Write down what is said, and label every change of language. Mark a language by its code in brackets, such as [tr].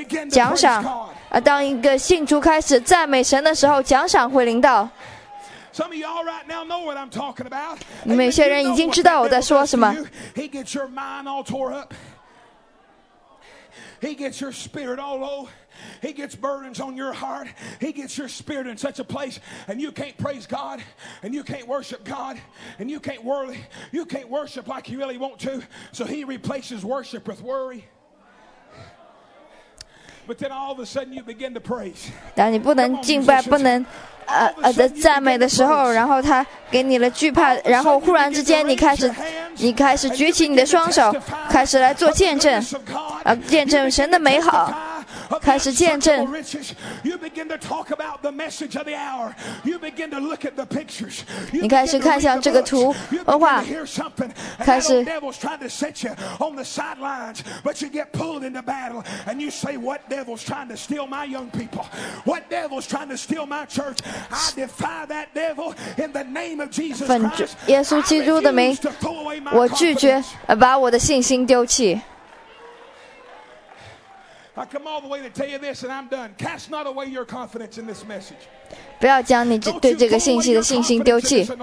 [zh] 奖赏，当一个信徒开始赞美神的时候，奖赏会领导。 [en] Some of y'all right now know what I'm talking about. [zh] 某些人已经知道我在说什么。 [en] He gets your mind all tore up. He gets your spirit all low. He gets burdens on your heart. He gets your spirit in such a place, and you can't praise God, and you can't worship God, and you can't worry. You can't worship like you really want to. So he replaces worship with worry. But then all of a sudden you begin to praise. [zh] 当你不能敬拜，不能的赞美的时候，然后他给你了惧怕，然后忽然之间你开始举起你的双手，开始来做见证，见证神的美好。开始见证。 [en] You begin to talk about the message of the hour. You begin to look at the pictures. [zh] 你开始看向这个图文化。开始。 [en] The devil's trying to set you on the sidelines, but you get pulled into battle, and you say, "What devil's trying to steal my young people? What devil's trying to steal my church? I defy that devil in the name of Jesus Christ." [zh] 耶稣基督的名，我拒绝把我的信心丢弃。 [en] I come all the way to tell you this, and I'm done. Cast not away your confidence in this message. [zh] 不要将你对这个信息的信心丢弃。